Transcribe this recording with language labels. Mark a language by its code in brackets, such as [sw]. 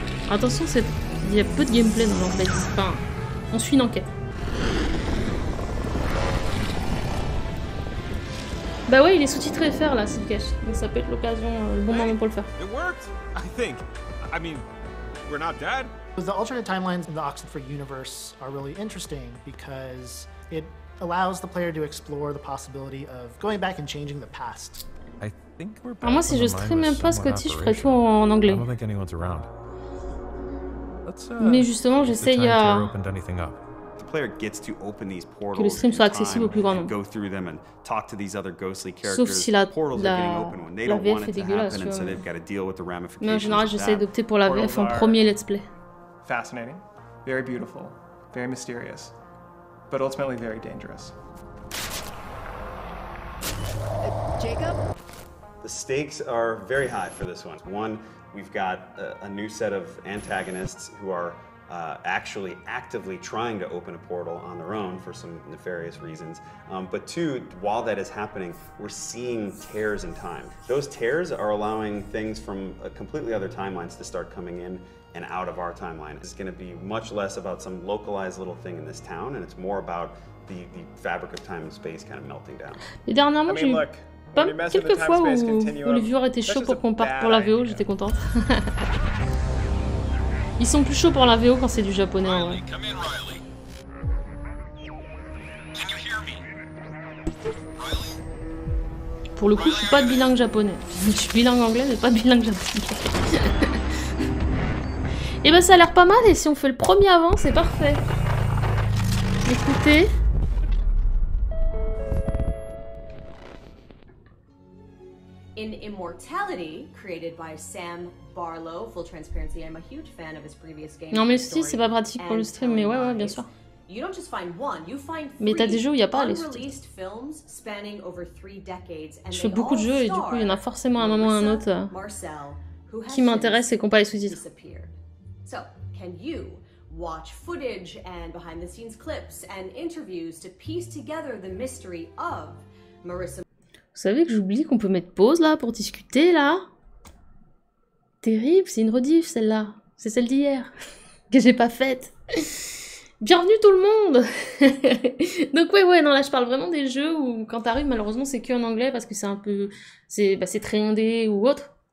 [fr] Attention, c'est... il y a peu de gameplay dans Lamplight City. Enfin, on suit une enquête. Bah ouais, il est sous-titré FR là, s'il cache. Donc ça peut être l'occasion, le bon moment pour le faire. [en] It worked, I think. I mean, we're not dead. The alternate timelines in the Oxenfree universe are really interesting because it allows the player to explore the possibility of going back and changing the past. I think we're back. [fr] Ah, moi si je stream même pas Scotty, je ferais tout en anglais. [en] I don't think anyone's around. [fr] Mais justement, j'essaye à... [en] Player gets to open these portals [fr] que le stream soit accessible au plus grand nombre. [en] Go through them and talk to these other ghostly characters. [fr] Sauf si la [en] portals la, are getting open when they don't want it to happen, and so they've got to deal with the ramifications. [fr] Mais en général, j'essaie d'opter pour la VF en premier let's play. [en] Fascinating, very beautiful, very mysterious, but ultimately very dangerous. Jacob. The stakes are very high for this one. One, we've got a new set of antagonists who are actually actively trying to open a portal on their own for some nefarious reasons. But two, while that is happening, we're seeing tears in time. Those tears are allowing things from completely other timelines to start coming in and out of our timeline. It's going to be much less about some localized little thing in this town, and it's more about the fabric of time and space kind of melting down. [fr] Et dernièrement, j'ai eu pas quelques fois où les viewers étaient chauds pour qu'on parte pour la VO, j'étais contente. Ils sont plus chauds pour la VO quand c'est du japonais. [en] Riley, come in, Riley. Can you hear me? Riley? [fr] Pour le coup, Riley, je suis pas de bilingue japonais. Je suis bilingue anglais, mais pas de bilingue japonais. Et ben ça a l'air pas mal, et si on fait le premier avant, c'est parfait. Écoutez. [en] In Immortality, created by Sam Barlow, full transparency, I'm a huge fan of his previous game. [fr] Non mais si, c'est pas pratique pour le stream, mais ouais, bien sûr. [en] You don't just find one, you find three. [fr] Mais t'as des jeux où y a pas les sous-titres. [en] Spanning over three decades, and [fr] je fais beaucoup de jeux et du coup, il y en a forcément un moment ou un autre Marcel, qui m'intéresse et qui n'ont pas les sous-titres. [en] So, can you watch footage and behind the scenes clips and interviews to piece together the mystery of Marissa? [fr] Vous savez que j'oublie qu'on peut mettre pause là pour discuter là. Terrible, c'est une rediff celle-là. C'est celle d'hier que j'ai pas faite. Bienvenue tout le monde. Donc ouais non là je parle vraiment des jeux où quand t'arrives malheureusement c'est que en anglais parce que c'est un peu c'est très indé ou autre.